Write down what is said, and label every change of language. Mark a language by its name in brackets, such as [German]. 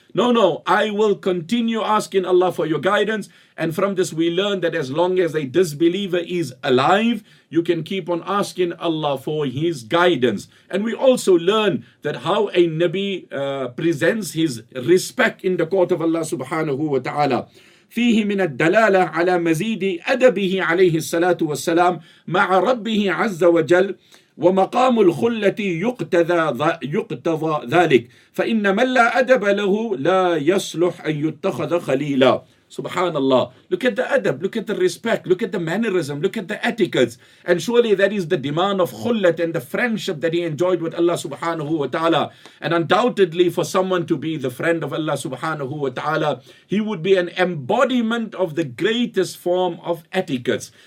[English] No, I will continue asking Allah for your guidance. And from this we learn that as long as a disbeliever is alive, you can keep on asking Allah for his guidance. And we also learn that how a Nabi presents his respect in the court of Allah subhanahu wa ta'ala. [Arabic] فيه من الدلالة على مزيد أدبه عليه الصلاة والسلام مع ربه عز وجل ومقام الخلة يقتضى ذلك فإن من لا أدب له لا يصلح أن يتخذ خليلا. سبحان الله. [English] Look at the adab, look at the respect, look at the mannerism, look at the etiquettes. And surely that is the demand of khullat and the friendship that he enjoyed with Allah subhanahu wa ta'ala. And undoubtedly for someone to be the friend of Allah subhanahu wa ta'ala, he would be an embodiment of the greatest form of etiquettes.